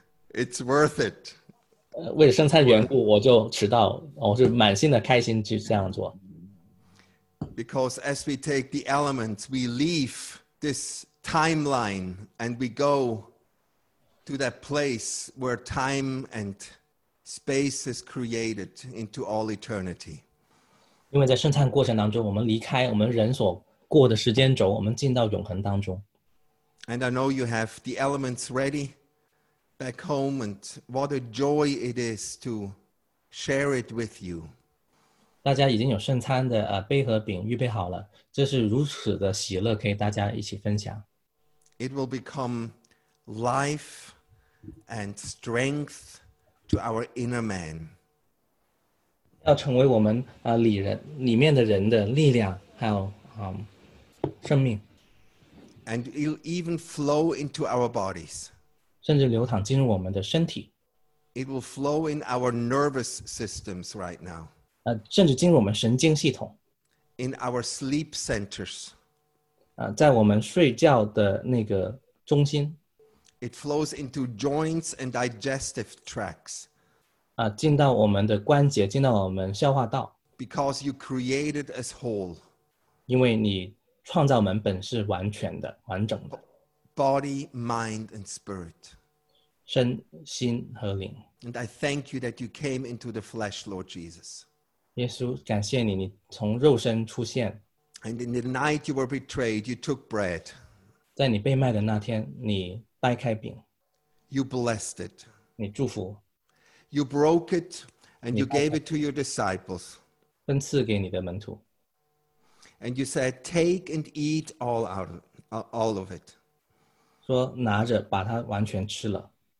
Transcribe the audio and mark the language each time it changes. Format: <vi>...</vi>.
<en>It's worth it.</en> <zh>为了圣餐缘故，我就迟到，我是满心的开心去这样做。</zh> <en>Because as we take the elements, we leave this timeline, and we go to that place where time and space is created into all eternity.</en> <zh>因为在圣餐过程当中我们离开我们人所过的时间轴我们进到永恒当中。</zh> <en>And I know you have the elements ready back home and what a joy it is to share it with you.</en> <zh>大家已经有圣餐的杯和饼预备好了这是如此的喜乐可以大家一起分享。</zh> <en>It will become life and strength to our inner man.</en> <zh>要成为我们里人里面的人的力量，还有生命。</zh> <en>And it'll even flow into our bodies.</en> <zh>甚至流淌进入我们的身体。</zh> <en>It will flow in our nervous systems right now.</en> <zh>甚至进入我们神经系统。</zh> <en>In our sleep centers.</en> <zh>在我们睡觉的那个中心。</zh> <en>It flows into joints and digestive tracts.</en> <zh>进到我们的关节，进到我们消化道。</zh> <en>Because you created us whole.</en> <zh>因为你创造我们本是完全的，完整的。</zh> <en>Body, mind, and spirit.</en> <zh>身心和灵。</zh> <en>And I thank you that you came into the flesh, Lord Jesus.</en> <zh>耶稣，感谢你，你从肉身出现。</zh> <en>And in the night you were betrayed, you took bread.</en> <zh>在你被卖的那天，你掰开饼。</zh> <en>You blessed it.</en> <zh>你祝福。</zh> <en>You broke it and you gave it to your disciples.</en> <zh>分赐给你的门徒。</zh> <en>And you said, take and eat all of it.</en> <zh>说拿着把它完全吃了。</zh>